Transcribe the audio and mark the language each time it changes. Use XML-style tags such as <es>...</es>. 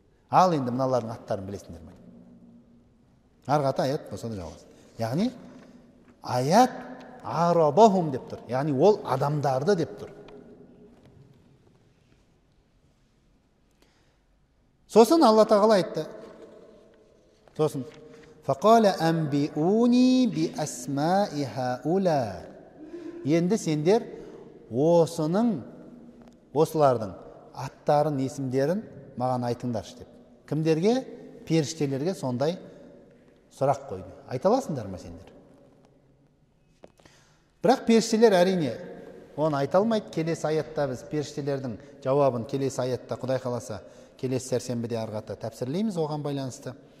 <kk>Ал енді мыналардың аттарын білесіңдер ме? Арғата аят болса да жалғасады. Яғни аят арабахум деп тұр. Яғни ол адамдарды деп тұр. Сосын Алла Тағала айтты. Сосын</kk> <ar>فقال انبئوني باسماء هؤلاء.</ar> <kk>Енді сендер осылардың аттарын, есімдерін маған айтыңдаршы деп. Кімдерге? Періштелерге сондай сұрақ қойды. Айта аласыңдар ма сендер? Бірақ періштелер әрине оны айта алмайды. Келесі аятта біз періштелердің жауабын келесі аятта Құдай қаласа келесі сәрсенбіде арғата тәпсірлейміз оған байланысты.</kk>